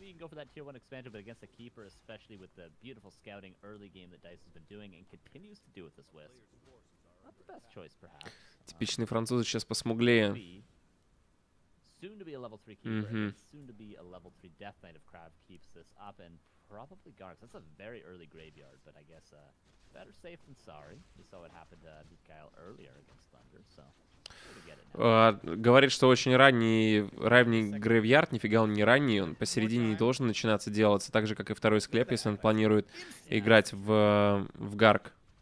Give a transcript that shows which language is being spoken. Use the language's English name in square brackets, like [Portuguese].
[English] For that tier 1 expansion, but against a keeper, especially with the beautiful scouting early game that DICE has been doing and continues to do with this wisp. Not the best choice, perhaps. [Russian] Типичные французы сейчас посмуглее. [English] Soon to be a level 3 keeper, soon to be a level 3 death knight if Crab keeps this up, and probably guards. That's a very early graveyard, but I guess better safe than sorry. We saw what happened to Mikhail earlier against Thunder, so... [Russian] Говорит, что очень ранний грейвьярд. Нифига он не ранний, он посередине не должен начинаться делаться. Так же, как и второй склеп, если он планирует играть в гарк.